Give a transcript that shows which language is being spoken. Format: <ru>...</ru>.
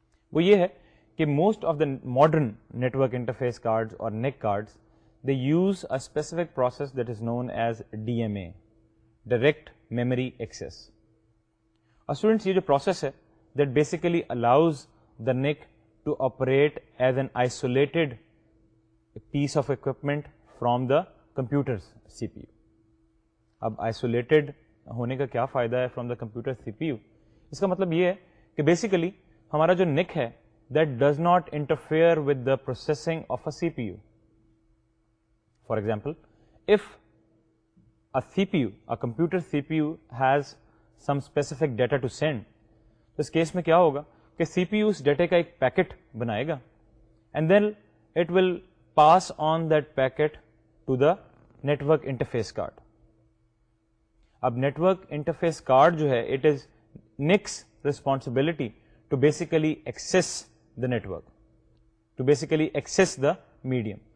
<ur>Wo ye hai ki</ur> <en>most of the modern network interface cards or NIC cards, they use a specific process that is known as DMA, direct memory access. A students,</en> <ur>ye jo process hai</ur> <en>that basically allows the NIC to operate as an isolated piece of equipment from the computer's CPU.</en> <ur>اب isolated ہونے کا کیا فائدہ ہے</ur> <en>From the computer C P U?</en> <ur>اس کا مطلب یہ ہے کہ بیسیکلی ہمارا جو نک ہے</ur> <en>That does not interfere with the processing of a C P U. For example if a C P U a computer C P U has some specific data to send,</en> <ur>تو اس case میں کیا ہوگا کہ سی P U اس ڈیٹے کا ایک packet بنائے گا</ur> <en>And then it will pass on that packet to the network interface card. اب network interface card</en> <ur>جو ہے</ur> <en>It is NIC's responsibility to basically access the network, to basically access the medium.</en>